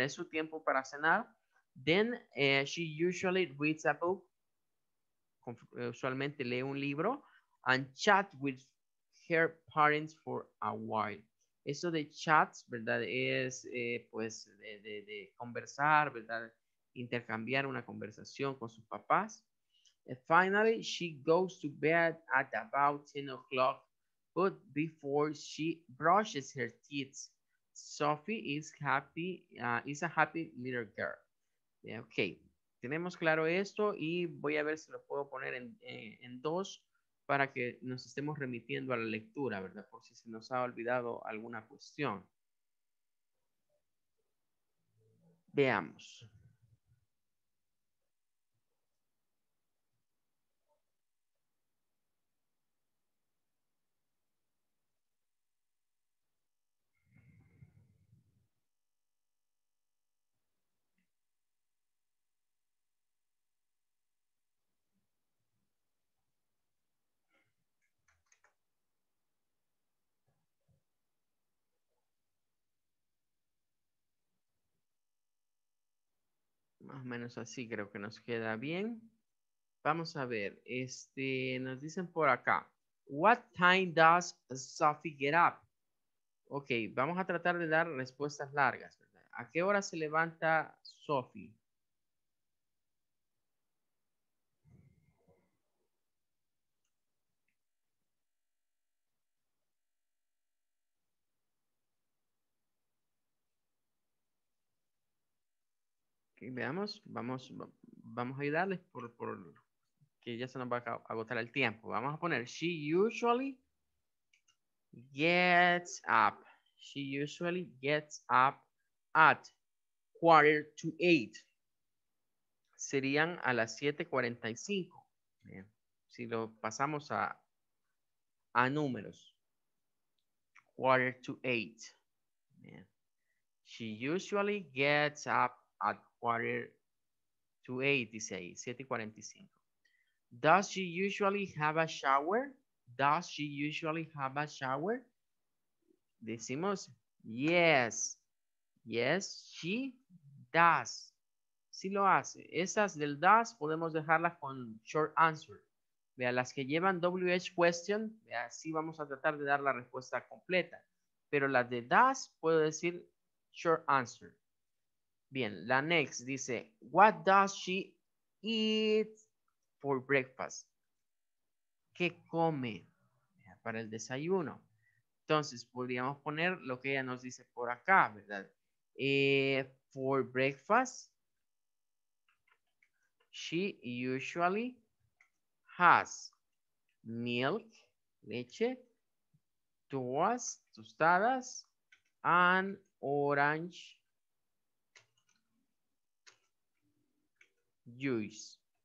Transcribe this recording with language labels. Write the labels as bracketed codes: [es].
[es] Es su tiempo para cenar. [en] Then she usually reads a book. [es] Usualmente lee un libro. [en] And chat with her parents for a while. [es] Eso de chats, ¿verdad? Es pues de conversar, ¿verdad? Intercambiar una conversación con sus papás. [en] And finally, she goes to bed at about 10 o'clock. But before she brushes her teeth, Sophie is happy, is a happy little girl. [es] Yeah, ok, tenemos claro esto y voy a ver si lo puedo poner en dos para que nos estemos remitiendo a la lectura, ¿verdad? Por si se nos ha olvidado alguna cuestión. Veamos. Más o menos así creo que nos queda bien. Vamos a ver. Nos dicen por acá. [en] What time does Sophie get up? [es] Ok, vamos a tratar de dar respuestas largas, ¿verdad? ¿A qué hora se levanta Sophie? Veamos, vamos a ayudarles por que ya se nos va a agotar el tiempo. Vamos a poner, [en] she usually gets up. She usually gets up at 7:45. [es] Serían a las 7:45. Bien. Si lo pasamos a números. 7:45. Bien. [en] She usually gets up at 7:45, [es] dice ahí, [en] 7:45. Does she usually have a shower? Does she usually have a shower? [es] Decimos, [en] yes. Yes, she does. [es] Sí lo hace. Esas del does podemos dejarlas con short answer. Vea, las que llevan WH question, vea, sí vamos a tratar de dar la respuesta completa. Pero las de does puedo decir short answer. Bien, la [en] next dice, what does she eat for breakfast? [es] ¿Qué come para el desayuno? Entonces, podríamos poner lo que ella nos dice por acá, ¿verdad? [en] For breakfast, she usually has milk, [es] leche, tostadas, [en] and orange juice.